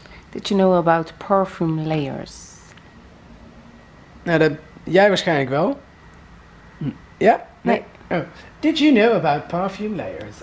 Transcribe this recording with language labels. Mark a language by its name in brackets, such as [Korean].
[English] Did you know about perfume layers? [Dutch] Nou, jij waarschijnlijk wel. Ja? Nee. Oh. [English] Did you know about perfume layers?